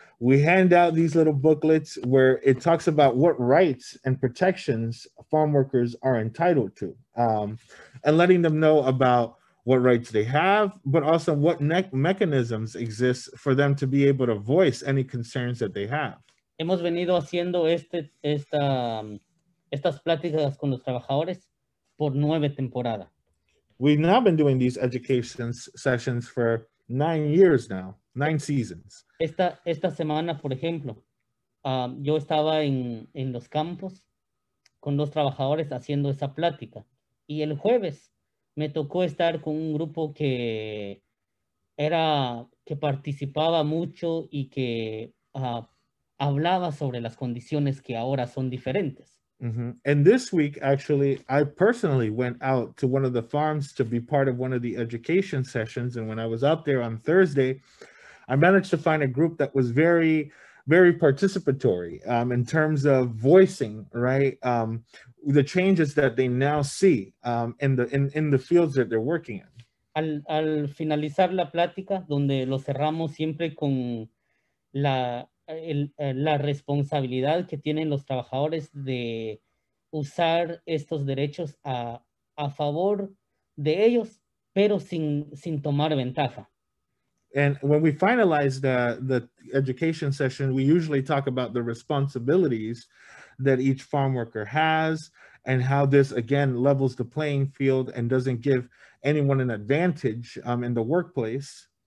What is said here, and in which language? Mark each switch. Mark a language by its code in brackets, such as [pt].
[en] We hand out these little booklets where it talks about what rights and protections farm workers are entitled to and letting them know about what rights they have, but also what mechanisms exist for them to be able to voice any concerns that they have. [es] Hemos venido haciendo estas pláticas con los trabajadores por 9 temporadas. [en] We've now been doing these education sessions for 9 years now, 9 seasons. [es] Esta semana, por ejemplo, yo estaba en los campos con los trabajadores haciendo esa plática. Y el jueves me tocó estar con un grupo que participaba mucho y que hablaba sobre las condiciones que ahora son diferentes. Mm-hmm. [en] And this week, actually, I personally went out to one of the farms to be part of one of the education sessions. And when I was out there on Thursday, I managed to find a group that was very, very participatory in terms of voicing, right, the changes that they now see in the fields that they're working in. [es] Al finalizar la plática, donde lo cerramos siempre con la responsabilidad que tienen los trabajadores de usar estos derechos a favor de ellos, pero sin tomar ventaja. [en] And when we finalize the education session, we usually talk about the responsibilities that each farm worker has and how this, again, levels the playing field and doesn't give anyone an advantage in the workplace.